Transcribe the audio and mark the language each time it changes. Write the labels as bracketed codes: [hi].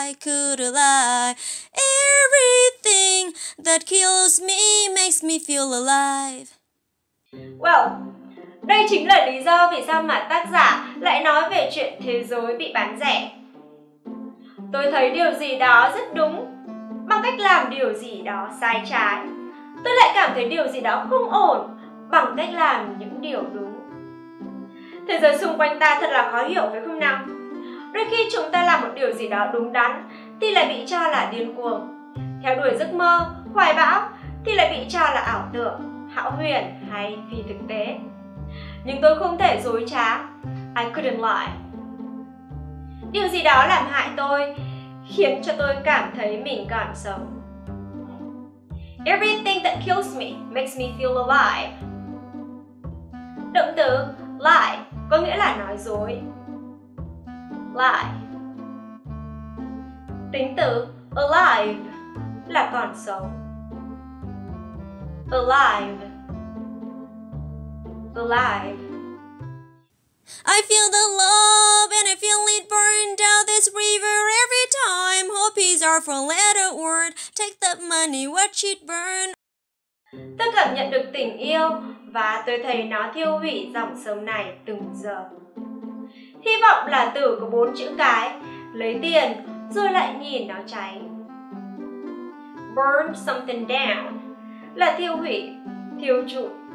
[en] Could lie. Everything that kills me makes me feel alive. [vi] Well, đây chính là lý do vì sao mà tác giả lại nói về chuyện thế giới bị bán rẻ. Tôi thấy điều gì đó rất đúng, bằng cách làm điều gì đó sai trái. Tôi lại cảm thấy điều gì đó không ổn, bằng cách làm những điều đúng. Thế giới xung quanh ta thật là khó hiểu phải không nào? Đôi khi chúng ta làm một điều gì đó đúng đắn thì lại bị cho là điên cuồng. Theo đuổi giấc mơ, hoài bão thì lại bị cho là ảo tưởng, hão huyền hay phi thực tế. Nhưng tôi không thể dối trá. [en] I couldn't lie. [vi] Điều gì đó làm hại tôi, khiến cho tôi cảm thấy mình còn sống. [en] Everything that kills me makes me feel alive. [vi] Động từ lie có nghĩa là nói dối. [en] Lie. [vi] Tính từ alive là còn sống. [en] Alive. Alive. I feel the love and I feel it burn down this river every time. Hope is our four letter word. Take that money, watch it burn. [vi] Tôi cảm nhận được tình yêu và tôi thấy nó thiêu hủy dòng sông này từng giờ. Hy vọng là từ có bốn chữ cái, lấy tiền rồi lại nhìn nó cháy. Burn something down là thiêu hủy, thiêu trụi.